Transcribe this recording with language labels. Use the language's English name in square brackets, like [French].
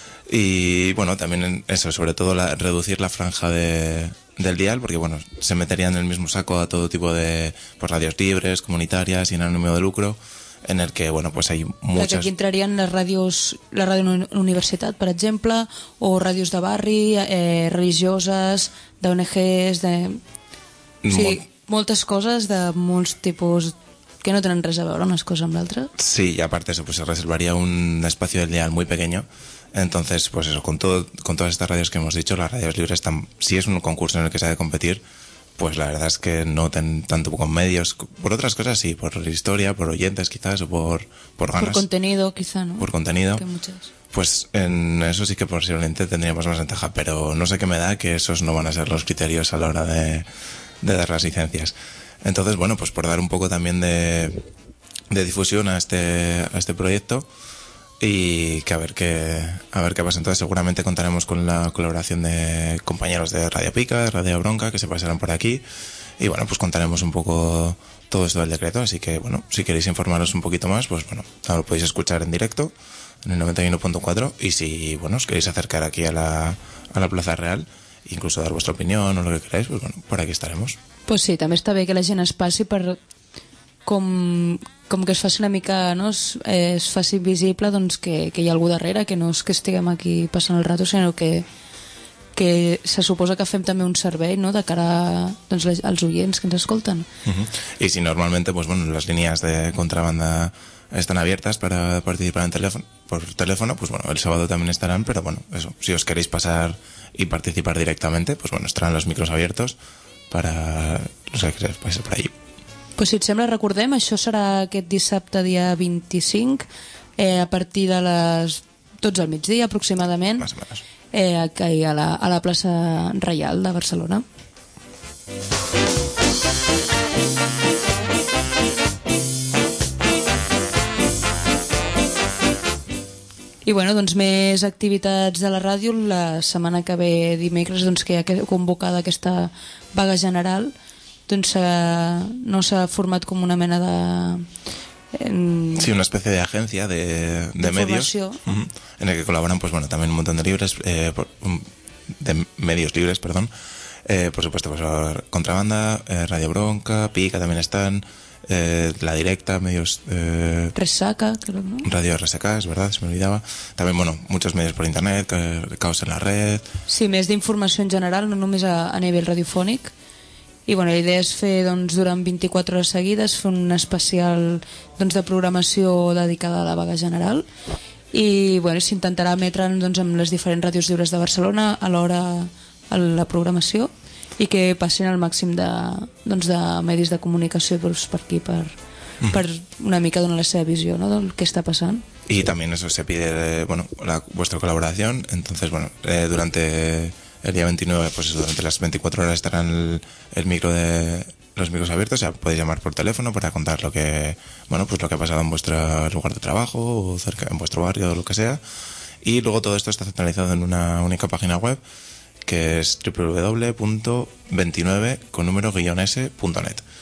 [Spanish] Y bueno, también eso, sobre todo reducir la franja del dial, porque bueno, se meterían en el mismo saco a todo tipo de, pues, radios libres, comunitarias, sin ánimo de lucro, en el que bueno, pues hay muchas. Aquí entrarían las radios, la radio universitat, por ejemplo, o radios de barri, religiosas, de ONGs, de... [Catalan] Sí, moltes coses de molts tipus que no tenen res a veure unes coses amb l'altra. [Spanish] Sí, i aparte eso, pues se reservaría un espacio del dial muy pequeño. Entonces, pues eso, con todas estas radios que hemos dicho, las radios libres están, si es un concurso en el que se ha de competir, pues la verdad es que no tienen tanto con medios. Por otras cosas sí, por historia, por oyentes quizás, o por ganas. Por contenido quizá, ¿no? Por contenido. Que muchas. Pues en eso sí que posiblemente tendríamos más ventaja, pero no sé qué me da que esos no van a ser los criterios a la hora de dar las licencias. Entonces, bueno, pues por dar un poco también de difusión a este proyecto, y que a ver qué pasa. Entonces seguramente contaremos con la colaboración de compañeros de Radio Pica, de Radio Bronca, que se pasarán por aquí, y bueno, pues contaremos un poco todo esto del decreto. Así que bueno, si queréis informaros un poquito más, pues bueno, lo podéis escuchar en directo en el 91.4, y si bueno, os queréis acercar aquí a la Plaza Real, incluso dar vuestra opinión o lo que queráis, pues bueno, por aquí estaremos. [Catalan] Pues sí, també està bé que la gent es passi per com que es faci una mica, no? Es faci visible, doncs, que hi ha algú darrere, que no és que estiguem aquí passant el rato, sinó que se suposa que fem també un servei, no? De cara doncs, als oients que ens escolten. Uh-huh. I si normalment pues, bueno, les línies de contrabanda estan [Spanish] abiertas para participar en teléfono, por teléfono, pues bueno, el sábado también estarán, pero bueno, eso, si os queréis pasar y participar directamente, pues bueno, estarán los micros abiertos para los que queréis pasar por ahí. [Catalan] Pues si et sembla, recordem, això serà aquest dissabte, dia 25, a partir de les 12 del migdia, aproximadament, a la plaça Reial de Barcelona. I bueno, doncs més activitats de la ràdio. La setmana que ve, dimecres, doncs, que hi ha convocada aquesta vaga general, doncs no s'ha format com una mena de... Sí, una espècie d'agència de medios en el que col·laboren, pues bueno, també un munt de llibres, de [Spanish] medios libres, perdón. Por supuesto, pues, Contrabanda, Radio Bronca, Pica también están, La Directa, medios... Resaca, creo, ¿no? Radio Resaca, es verdad, se me olvidaba. También, bueno, muchos medios por internet, Caos en la Red... [Catalan] Sí, més d'informació en general, no només a nivell radiofònic. I, bueno, la idea és fer, doncs, durant 24 hores seguides, fer un especial, doncs, de programació dedicada a la vaga general. I, bueno, s'intentarà emetre, doncs, amb les diferents ràdios lliures de Barcelona a l'hora a la programació, i que passin el màxim de, doncs, de medis de comunicació, doncs, per aquí, per una mica donar la seva visió, no?, del que està passant. I també [Spanish] eso se pide, [Catalan] bueno, la vostra col·laboració. [Spanish] Entonces, bueno, durante... El día 29, pues eso, durante las 24 horas estarán el micro de los micros abiertos, o sea, podéis llamar por teléfono para contar lo que, bueno, pues lo que ha pasado en vuestro lugar de trabajo o cerca, en vuestro barrio o lo que sea. Y luego todo esto está centralizado en una única página web, que es www.29s.net.